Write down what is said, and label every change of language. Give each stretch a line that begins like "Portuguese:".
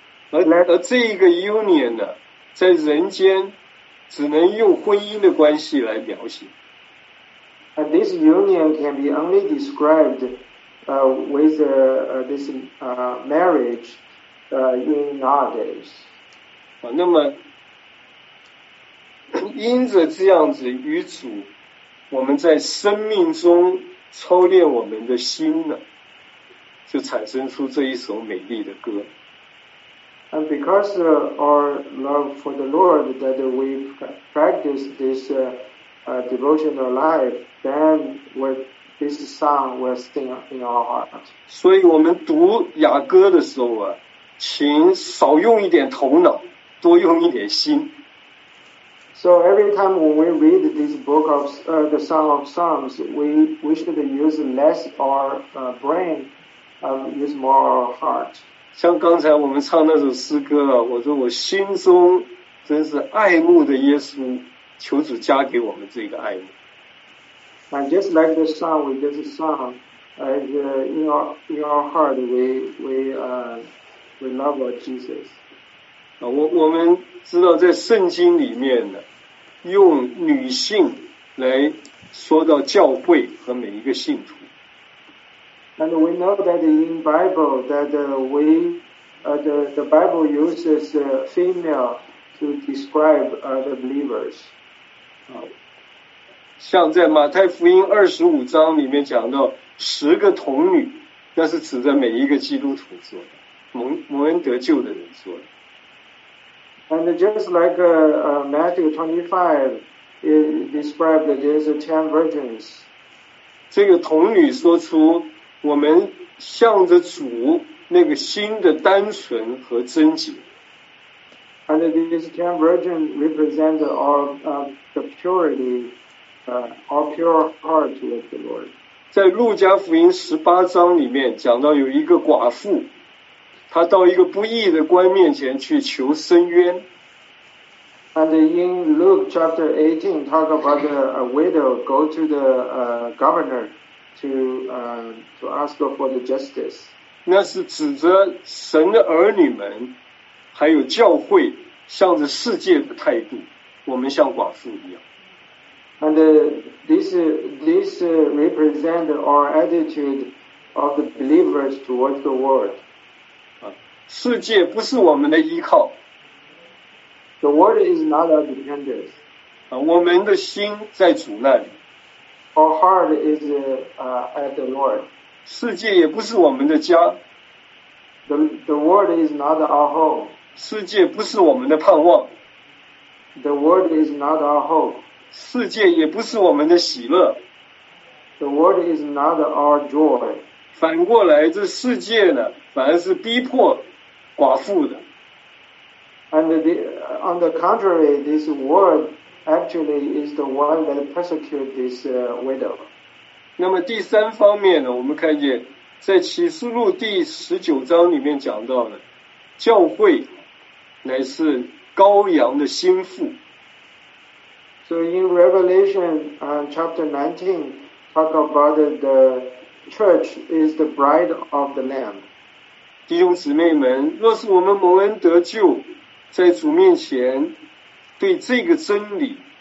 Chinese: 而这一个 union 呢，在人间。只能用婚姻的关系来描写。
English: And this union can be only described with this marriage in nowadays.
Chinese: 那么因着这样子与主，我们在生命中操练我们的心呢，就产生出这一首美丽的歌。
English: And because our love for the Lord, that we practice this devotional life, then this song will sting in our heart.
Chinese: 所以我们读雅歌的时候啊，请少用一点头脑，多用一点心。
English: So every time when we read this book of the Song of Songs, we should use less our brain, use more our heart.
Chinese: 像刚才我们唱那首诗歌啊，我说我心中真是爱慕的耶稣，求主加给我们这个爱慕。
English: And just like the song we just sung, in our heart we love our Jesus.
Chinese: 我们知道在圣经里面呢，用女性来说到教会和每一个信徒。
English: And we know that in Bible that the Bible uses female to describe the believers.
Chinese: 像在马太福音二十五章里面讲到十个童女，那是指着每一个基督徒做的，蒙恩得救的人做的。
English: And just like Matthew 25, it described there's 10 virgins.
Chinese: 这个童女说出。我们向着主那个心的单纯和贞洁。
English: And this ten virgin represents our the purity, our pure heart with the Lord.
Chinese: 在路加福音十八章里面讲到有一个寡妇，她到一个不义的官面前去求伸冤。
English: And in Luke chapter 18, talk about a widow go to the governor. To ask for the justice.
Chinese: 那是指着神的儿女们，还有教会，向着世界的态度，我们像寡妇一样。
English: And this represent our attitude of the believers towards the world.
Chinese: 世界不是我们的依靠。
English: The world is not our dependence.
Chinese: 我们的心在主那里。
English: Our heart is at the Lord.
Chinese: 世界也不是我们的家。
English: The world is not our home.
Chinese: 世界不是我们的盼望。
English: The world is not our hope.
Chinese: 世界也不是我们的喜乐。
English: The world is not our joy.
Chinese: 反过来，这世界呢，反而是逼迫寡妇的。
English: And on the contrary, this world. Actually, is the one that persecuted this widow.
Chinese: 那么第三方面呢，我们看见在启示录第十九章里面讲到的，教会乃是羔羊的心腹。
English: So in Revelation chapter 19, talk about the church is the bride of the Lamb.
Chinese: 弟兄姊妹们，若是我们蒙恩得救，在主面前。对这个真理